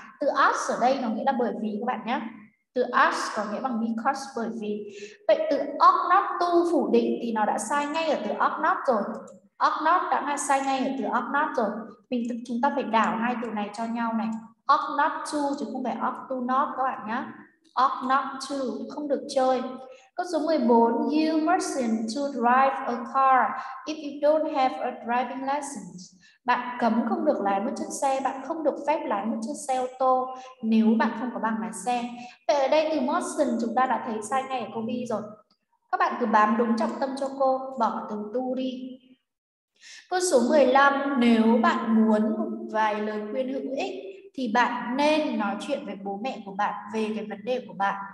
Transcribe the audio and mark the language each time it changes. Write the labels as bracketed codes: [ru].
[vi] Từ ought ở đây nó nghĩa là bởi vì các bạn nhé. Từ ask có nghĩa bằng because, bởi vì. Vậy từ ought not to phủ định thì nó đã sai ngay ở từ ought not rồi. Ought not đã sai ngay ở từ ought not rồi. Chúng ta phải đảo hai từ này cho nhau này. Ought not to chứ không phải ought to not các bạn nhé. Ought not to, không được chơi. [en] Câu số 14, you mustn't to drive a car if you don't have a driving license. [vi] Bạn cấm không được lái một chiếc xe, bạn không được phép lái một chiếc xe ô tô nếu bạn không có bằng lái xe. Vậy ở đây từ mustn't chúng ta đã thấy sai ngay ở câu B rồi. Các bạn cứ bám đúng trọng tâm cho cô, bỏ từ to đi. Câu số 15, nếu bạn muốn một vài lời khuyên hữu ích thì bạn nên nói chuyện với bố mẹ của bạn về cái vấn đề của bạn.